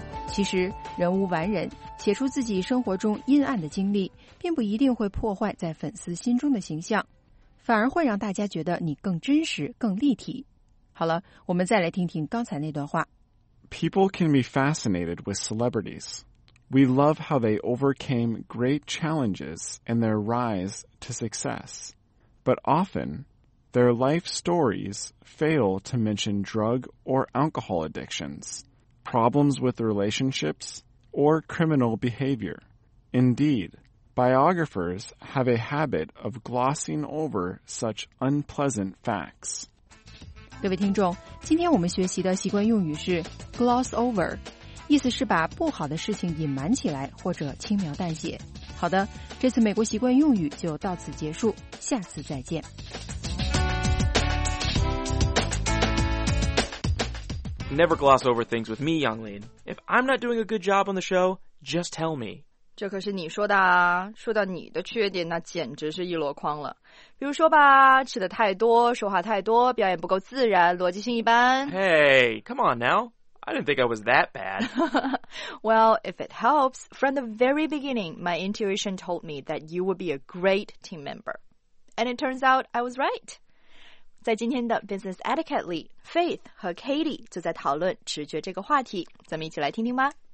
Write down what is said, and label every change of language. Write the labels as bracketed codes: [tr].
[zh] 其实，人无完人，写出自己生活中阴暗的经历，并不一定会破坏在粉丝心中的形象，反而会让大家觉得你更真实、更立体。好了，我们再来听听刚才那段话。 [en] People can be fascinated with celebrities. We love how they overcame great challenges in their rise to success. But often, their life stories fail to mention drug or alcohol addictions. Problems with relationships, or criminal behavior. Indeed, biographers have a habit of glossing over such unpleasant facts. [zh] 各位听众，今天我们学习的习惯用语是 gloss over, 意思是把不好的事情隐瞒起来或者轻描淡写。好的，这次美国习惯用语就到此结束，下次再见。 [en] Never gloss over things with me, Yang Lin. If I'm not doing a good job on the show, just tell me. [zh] 这可是你说的啊。说到你的缺点，那简直是一箩筐了。比如说吧，吃的太多，说话太多，表演不够自然，逻辑性一般。 [en] Hey, come on now. I didn't think I was that bad. Well, if it helps, from the very beginning, my intuition told me that you would be a great team member. And it turns out I was right. [zh] 在今天的 Business Etiquette 里 ,Faith 和 Katie 就在讨论直觉这个话题，咱们一起来听听吧。